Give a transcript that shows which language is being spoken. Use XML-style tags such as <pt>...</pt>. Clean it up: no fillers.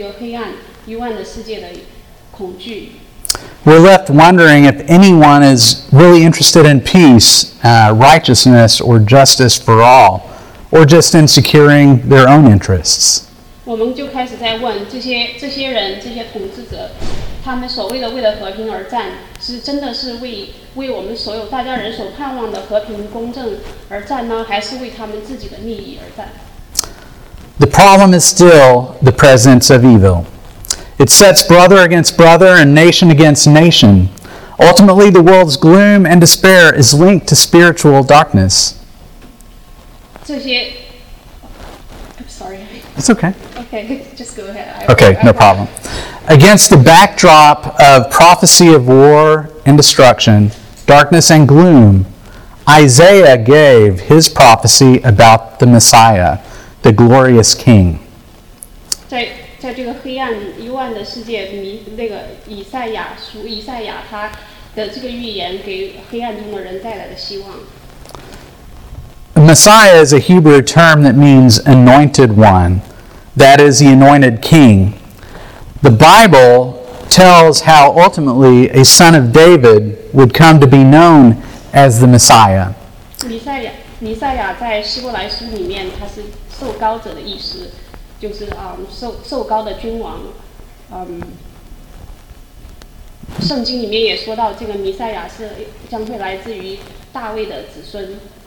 <zh>然后这些激进组织，他们认为我们的和平要通过武力来解决。还有一些独裁者，他们也是一样通过战争来解决我们的和平问题。这个世界留给我们的是什么呢？留给我们的是我们对这个黑暗、幽暗的世界的恐惧。</zh> <en>We're left wondering if anyone is really interested in peace, righteousness, or justice for all, or just in securing their own interests.</en> <zh>我们就开始在问这些人，这些统治者，他们所谓的为了和平而战，是真的是为我们所有大家人所盼望的和平公正而战呢，还是为他们自己的利益而战？</zh> <en>The problem is still the presence of evil. It sets brother against brother and nation against nation. Ultimately, the world's gloom and despair is linked to spiritual darkness.</en> <zh>这些</zh> <en>I'm sorry. It's okay. Okay, just go ahead. No problem. Against the backdrop of prophecy of war and destruction, darkness and gloom, Isaiah gave his prophecy about the Messiah, the glorious King.</en> <zh>在这个黑暗幽暗的世界，以赛亚他的这个预言给黑暗中的人带来的希望。</zh> <en>Messiah is a Hebrew term that means anointed one, that is the anointed king. The Bible tells how ultimately a son of David would come to be known as the Messiah.</en> <zh>弥赛亚在希伯来书里面，他是受高者的意思，就是受高的君王。圣经里面也说到，这个弥赛亚是将会来自于大卫的子孙。</zh>